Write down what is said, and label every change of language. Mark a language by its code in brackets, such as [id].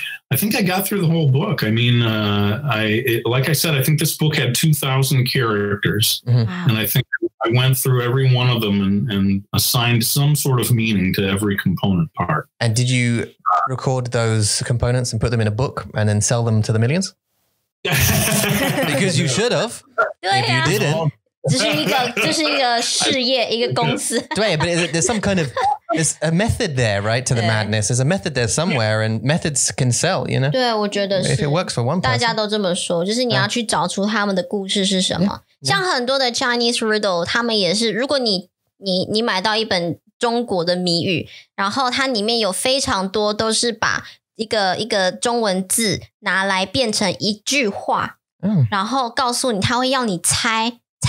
[en] I think I got through the whole book. I mean, I think this book had 2,000 characters and I think I went through every one of them and assigned some sort of meaning to every component part. And did you record those components and put them in a book and then sell them to the millions? Because you should have. If you didn't. [zh] 这是一个事业，一个公司。对， [en] but there's some kind of there's a method there, right? To the madness, there's a method there somewhere, and methods can sell, you know. [zh] 对，我觉得是。 [en] If it works for one person, [zh] 大家都这么说，就是你要去找出他们的故事是什么。像很多的 [en] Chinese riddle, [zh] 他们也是，如果你买到一本中国的谜语，然后它里面有非常多都是把一个中文字拿来变成一句话，然后告诉你，他会要你猜。